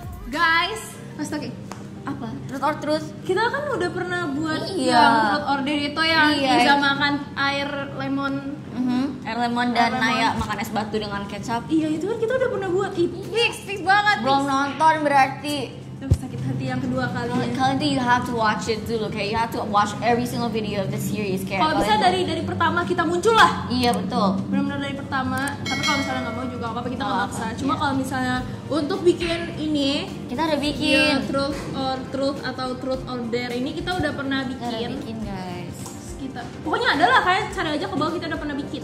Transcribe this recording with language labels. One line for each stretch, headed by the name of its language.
Indonesian: Guys, astaga. Apa? Truth or truth? Kita kan udah pernah buat yang truth or dare itu, yang Keisha makan air lemon. Air lemon dan Naya makan es batu dengan kecap. Iya, itu kan kita udah pernah buat. Fix banget. Belum nonton berarti. Sakit hati yang kedua kali. Kalian tuh
English: you have to watch it
Indonesian: dulu,
English: okay? You have to watch every single video of the series, okay?
Indonesian: Kalau bisa dari pertama kita muncul lah. Iya, betul. Benar-benar dari pertama. Tapi kalau misalnya enggak mau juga enggak apa-apa, kita enggak maksa. Cuma kalau misalnya untuk bikin ini, kita udah bikin truth or dare ini kita udah pernah bikin. Udah bikin, guys. Kita pokoknya adalah kayak cari aja ke bawah, kita udah pernah bikin.